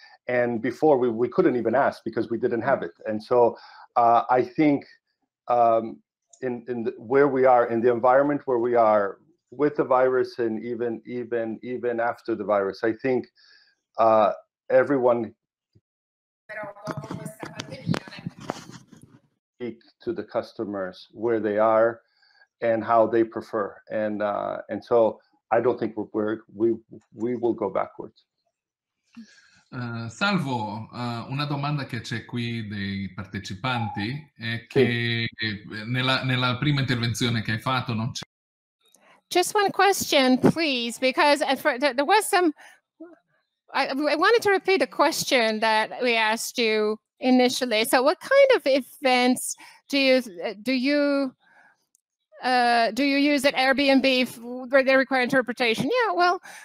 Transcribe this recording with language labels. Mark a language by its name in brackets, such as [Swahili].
[English] And before we couldn't even ask because we didn't have it. And so I think where we are in the environment where we are with the virus, and even after the virus, I think everyone speak to the customers where they are and how they prefer, and so I don't think we will go backwards. [Italian] Salvo, una domanda che c'è qui dei partecipanti è che nella prima intervenzione che hai fatto non c'è. [English] Just one question, please, because there was some. I wanted to repeat a question that we asked you initially. So, what kind of events do you use at Airbnb where they require interpretation? Yeah, well.